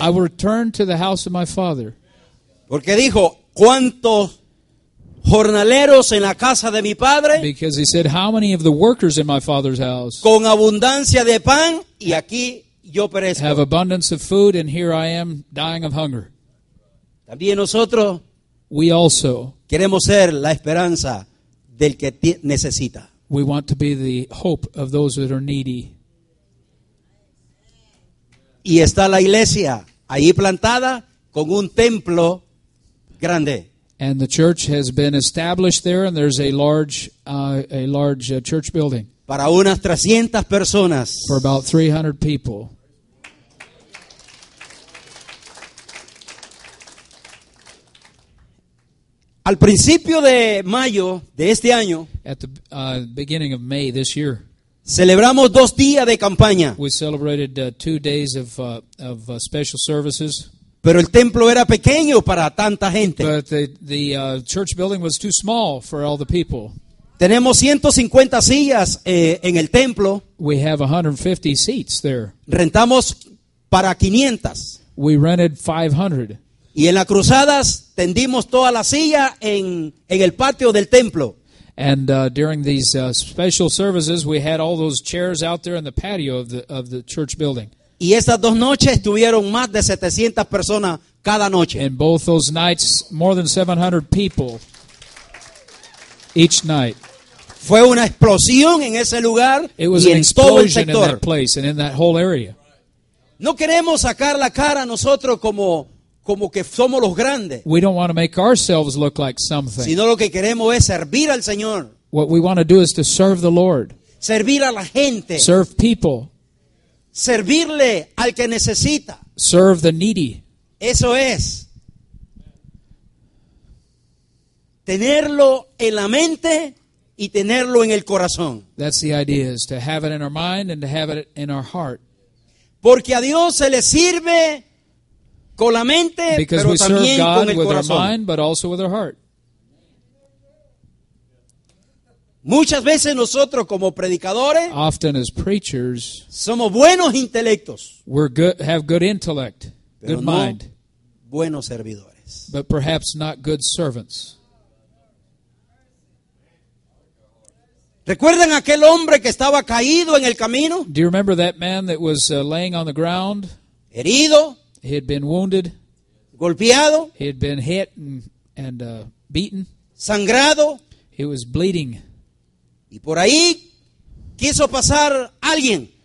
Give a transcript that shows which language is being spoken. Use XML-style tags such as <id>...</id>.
<en>I will return to the house of my father.</en> <es>Porque dijo, ¿cuántos jornaleros en la casa de mi padre?</es> <en>Because he said, how many of the workers in my father's house?</en> <es>Con abundancia de pan y aquí yo perezco.</es> <en>Have abundance of food and here I am dying of hunger.</en> <es>También nosotros.</es> <en>We also.</en> <es>Queremos ser la esperanza del que necesita.</es> <en>We want to be the hope of those that are needy.</en> <es>Y está la iglesia ahí plantada con un templo grande.</es> <en>And the church has been established there and there's a large church building.</en> <es>Para unas 300 personas.</es> <en>For about 300 people.</en> <es>Al principio de mayo de este año.</es> <en>At the beginning of May this year.</en> <es>Celebramos dos días de campaña.</es> <en>We celebrated 2 days of special services.</en> <es>Pero el templo era pequeño para tanta gente.</es> <en>But the church building was too small for all the people.</en> <es>Tenemos 150 sillas en el templo.</es> <en>We have 150 seats there.</en> <es>Rentamos para 500.</es> <en>We rented 500.</en> <es>Y en las cruzadas tendimos toda la silla en el patio del templo.</es> <en>And during these special services, we had all those chairs out there in the patio of the church building.</en> <es>Y estas dos noches tuvieron más de 700 personas cada noche.</es> <en>And both those nights, more than 700 people each night.</en> <es>Fue una explosión en ese lugar y en todo el sector.</es> <en>It was an explosion in that place and in that whole area.</en> <es>No queremos sacar la cara nosotros como que somos los grandes.</es> <en>We don't want to make ourselves look like something.</en> <es>Sino lo que queremos es servir al Señor.</es> <en>What we want to do is to serve the Lord.</en> <es>Servir a la gente.</es> <en>Serve people.</en> <es>Servirle al que necesita.</es> <en>Serve the needy.</en> <es>Eso es. Tenerlo en la mente y tenerlo en el corazón.</es> <en>That's the idea, is to have it in our mind and to have it in our heart.</en> <es>Porque a Dios se le sirve con la mente,</es> <en>because</en> <es>pero también</es> <en>God</en> <es>con el corazón.</es> <en>Because we serve God with our mind, but also with our heart.</en> <es>Muchas veces nosotros como predicadores,</es> <en>often as preachers,</en> <es>somos buenos intelectos.</es> <en>We're good, have good intellect,</en> <es>pero</es> <en>good</en> <es>no</es> <en>mind.</en> <es>Buenos servidores.</es> <en>But perhaps not good servants.</en> <es>¿Recuerdan aquel hombre que estaba caído en el camino?</es> <en>Do you remember that man that was laying on the ground?</en> <es>Herido.</es> <en>He had been wounded.</en> <es>Golpeado.</es> <en>He had been hit and beaten.</en> <es>Sangrado.</es> <en>He was bleeding.</en> <es>Y por ahí quiso pasar alguien.</es>